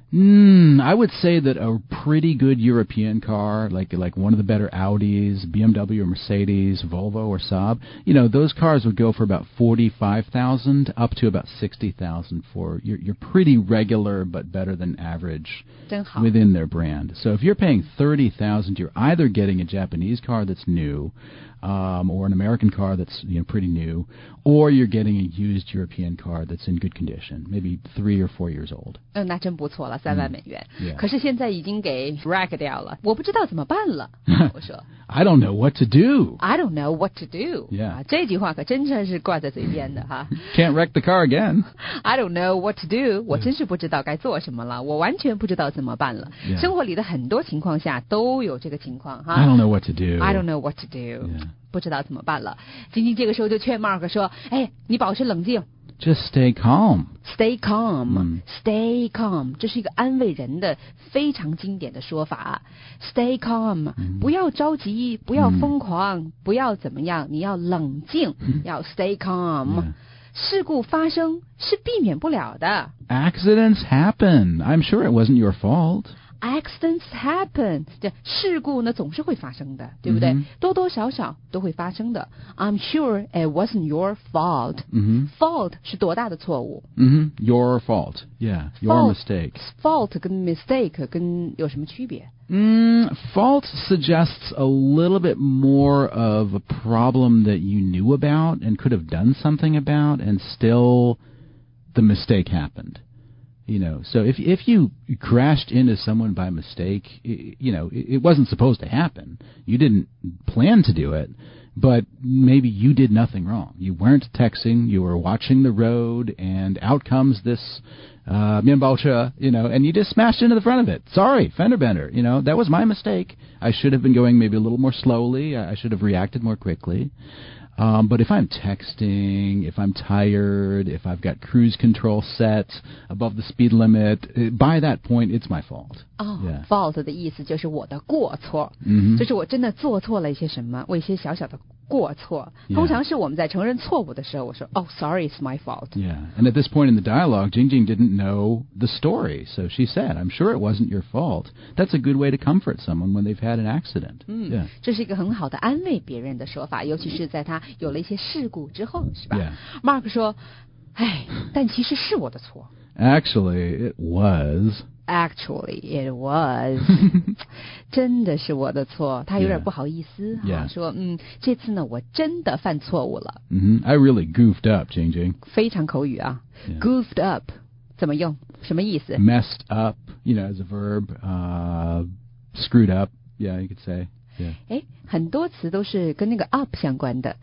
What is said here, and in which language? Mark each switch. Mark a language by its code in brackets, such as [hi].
[en] I would say that a pretty good European car, like one of the better Audis, BMW or Mercedes, Volvo or Saab, you know, those cars would go for about $45,000 up to about $60,000 for your pretty regular but better than average within their brand. So if you're paying $30,000, you're either getting a Japanese car that's new,or an American car that's, you know, pretty new, or you're getting a used European car that's in good condition, maybe 3 or 4 years old. [zh] 嗯，那真不错了，$30,000。 [en] Yeah. [zh] 可是现在已经给 rack 掉了，我不知道怎么办了。我说 [en] ，I don't know what to do. I don't know what to do. Yeah. [zh] 这句话可真正是挂在嘴边的哈。 [en] Can't wreck the car again. I don't know what to do. [zh] 我真是不知道该做什么了，我完全不知道怎么办了。 [en] Yeah. [zh] 生活里的很多情况下都有这个情况哈。 [en] I don't know what to do. I don't know what to do.、 Yeah. [zh] 不知道怎么办了。晶晶这个时候就劝 Mark 说：“哎，你保持冷静。 [en] ”Just stay calm. Stay calm.、Stay calm. [zh] 这是一个安慰人的非常经典的说法。 [en] Stay calm.、 [zh] 不要着急，不要疯狂、不要怎么样，你要冷静，要 [en] stay calm.、 [zh] 事故发生是避免不了的。 [en] Accidents happen. I'm sure it wasn't your fault. Accidents happen. [zh] 这事故呢总是会发生的，对不对、多多少少都会发生的。 [en] I'm sure it wasn't your fault.、Fault [zh] 是多大的错误、 [en] Your fault. Yeah, your fault, mistake. [zh] Fault 跟 mistake 跟有什么区别、 [en] Fault suggests a little bit more of a problem that you knew about and could have done something about and still the mistake happened. You know, so if you crashed into someone by mistake, you know, it wasn't supposed to happen. You didn't plan to do it, but maybe you did nothing wrong. You weren't texting, you were watching the road, and out comes this, Mianbaoche, you know, and you just smashed into the front of it. Sorry, fender bender, you know, that was my mistake. I should have been going maybe a little more slowly, I should have reacted more quickly. But if I'm texting, if I'm tired, if I've got cruise control set above the speed limit, by that point, it's my fault. Oh, yeah. [zh] Fault 的意思就是我的过错、就是我真的做错了一些什么，我一些小小的过错。通常是我们在承认错误的时候，我说 [en] Oh, sorry, it's my fault. Yeah, and at this point in the dialogue, Jing Jing didn't know the story, so she said, I'm sure it wasn't your fault. That's a good way to comfort someone when they've had an accident.、Yeah. [zh] 这是一个很好的安慰别人的说法，尤其是在他有了一些事故之后，是吧、 [en] yeah. [zh] ？Mark 说，哎，但其实是我的错。 [en] Actually, it was. Actually, it was. [zh] 真的是我的错。他有点不好意思、 [en] yeah. [zh] 说这次呢我真的犯错误了。 [en] I really goofed up, Jing Jing. [zh] 非常口语啊。 [en] Yeah. [zh] Goofed up, 怎么用什么意思 [en] Messed up, you know, as a verb,screwed up, yeah, you could say. Yeah. [zh] 很多词都是跟那个 up 相关的、